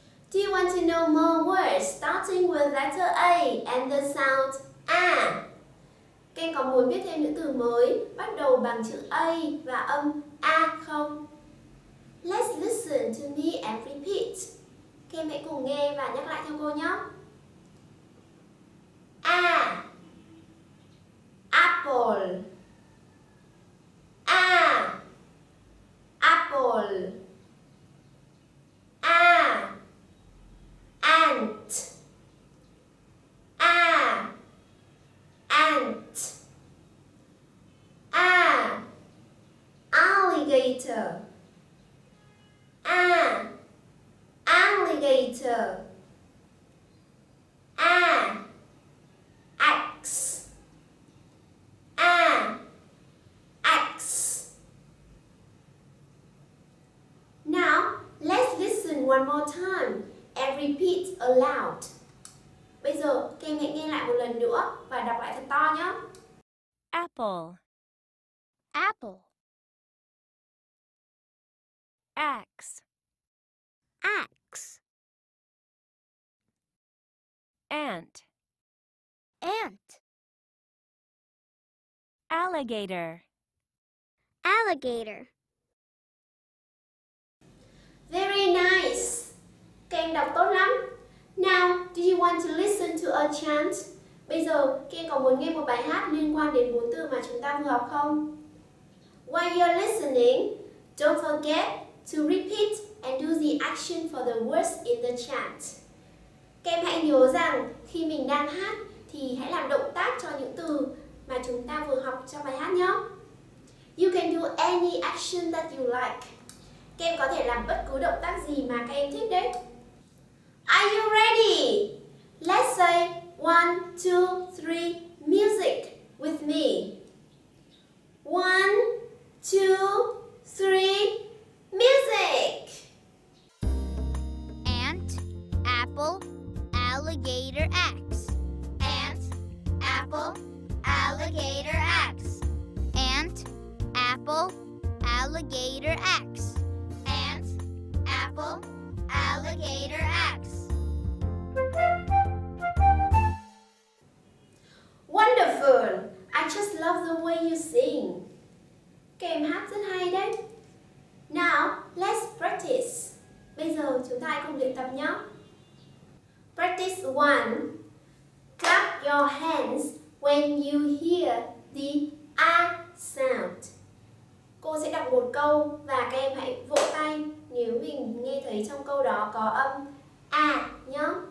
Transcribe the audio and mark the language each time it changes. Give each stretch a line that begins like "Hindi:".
English: Do you want to know more words starting with letter A and the sound A?
Vietnamese: Các em có muốn biết thêm những từ mới bắt đầu bằng chữ A và âm A không?
English: Let's listen to me and repeat.
Vietnamese: Các em hãy cùng nghe và nhắc lại theo cô nhé.
English: A. Apple. A. Apple. A. Ant. A. Ant. A. Alligator. A. Alligator. A. Axe. A. Axe. Now, let's listen one more time and repeat aloud.
Vietnamese: Bây giờ, các em hãy nghe lại một lần nữa và đọc lại thật to nhé.
English: Apple. Apple. Axe. Axe. Ant. Ant. Alligator. Alligator. Very nice.
Vietnamese: Các em đọc tốt lắm.
English: Now, do you want to listen to a chant?
Vietnamese: Bây giờ, các em có muốn nghe một bài hát liên quan đến bốn từ mà chúng ta vừa học không?
English: While you're listening, don't forget to repeat and do the action for the words in the chant.
Vietnamese: Các em hãy nhớ rằng khi mình đang hát thì hãy làm động tác cho những từ mà chúng ta vừa học trong bài hát nhé.
English: You can do any action that you like.
Vietnamese: Các em có thể làm bất cứ động tác gì mà các em thích đấy.
English: Are you ready? Let's say 1, 2, 3, music with me. 1, 2, 3, music. Ant, apple, alligator, axe. Ant, apple, alligator, axe. Ant, apple, alligator, axe. Ant, apple, alligator, axe. Wonderful! I just love the way you sing.
Vietnamese: Các em hát rất hay đấy.
English: Now, let's practice.
Vietnamese: Bây giờ chúng ta hãy cùng luyện tập nhé.
English: Practice 1. Clap your hands when you hear the A sound.
Vietnamese: Cô sẽ đọc một câu và các em hãy vỗ tay nếu mình nghe thấy trong câu đó có âm A nhé.